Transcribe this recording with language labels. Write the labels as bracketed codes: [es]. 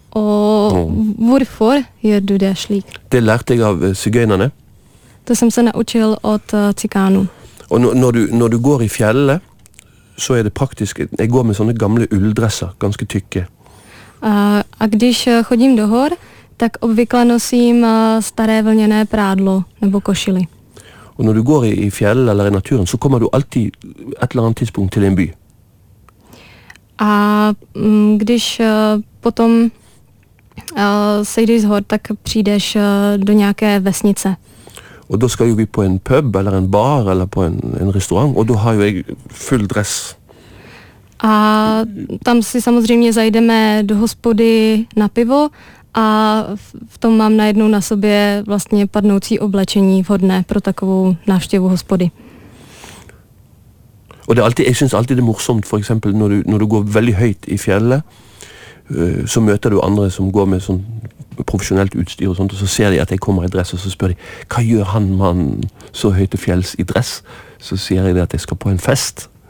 [no] Og hvorfor gjør du det slik? Det lærte jeg av sygøynerne. Det som jeg [cs] naučil od cikánu. [no] Og når du går i fjellet, så er det praktisk. Jeg går med sånne gamle ulldresser, ganske tykke. [cs] A když chodím do hor, tak obvykle nosím staré vlněné prádlo nebo košily. [no] Og når du går i fjell eller i naturen, så kommer du alltid et eller annet tidspunkt til en by. [cs] A když potom sejdeš z hor, tak přijdeš do nějaké vesnice. [no] Og da skal jo vi på en pub eller en bar eller på en restaurant, og da har jo jeg full dress. [cs] A tam si samozřejmě zajdeme do hospody na pivo a v tom mám najednou na sobě vlastně padnoucí oblečení vhodné pro takovou návštěvu hospody. [no] Og det alltid, jeg synes alltid det morsomt, for eksempel når du går veldig høyt i fjellet, så møter du andre som går med sånn profesjonelt utstyr og sånt, og så ser de at jeg kommer i dress, og så spør de, hva gjør han mann så høyt i fjells i dress? Så sier jeg det at jeg skal på en fest.